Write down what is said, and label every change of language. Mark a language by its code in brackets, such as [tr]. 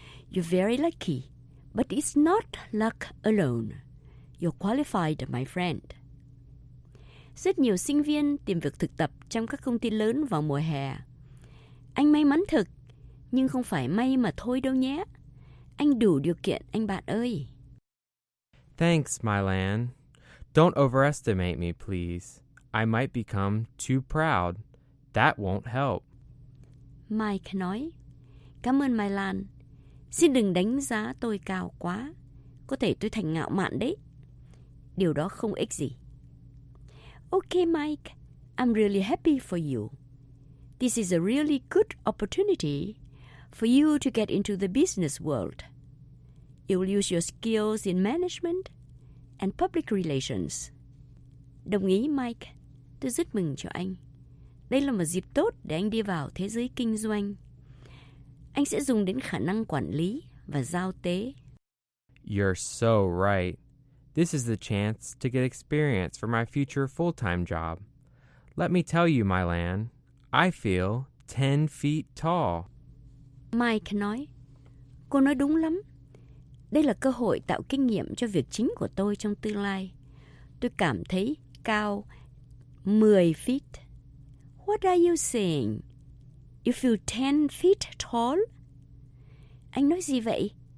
[en] You're very lucky, but it's not luck alone. You're qualified, my friend. [vi] Rất nhiều sinh viên tìm việc thực tập trong các công ty lớn vào mùa hè. Anh may mắn thực, nhưng không phải may mà thôi đâu nhé. Anh đủ điều kiện, anh bạn ơi. [en] Thanks, Mylan. Don't overestimate me, please. I might become too proud. That won't help. [vi] Mike nói, cảm ơn Mylan. Xin đừng đánh giá tôi cao quá. Có thể tôi thành ngạo mạn đấy. Điều đó không ích gì. Okay, Mike. [en] I'm really happy for you. This is a really good opportunity for you to get into the business world. You'll use your skills in management and public relations. [vi] Đồng ý, Mike. Tôi rất mừng cho anh. Đây là một dịp tốt để anh đi vào thế giới kinh doanh. Anh sẽ dùng đến khả năng quản lý và giao tế. [en] You're so right. This is the chance to get experience for my future full-time job. Let me tell you, Mylan, I feel 10 feet tall. [vi] Mike nói, cô nói đúng lắm. Đây là cơ hội tạo kinh nghiệm cho việc chính của tôi trong tương lai. Tôi cảm thấy cao 10 feet. [en] What are you saying? You feel 10 feet tall? [vi] Anh nói gì vậy?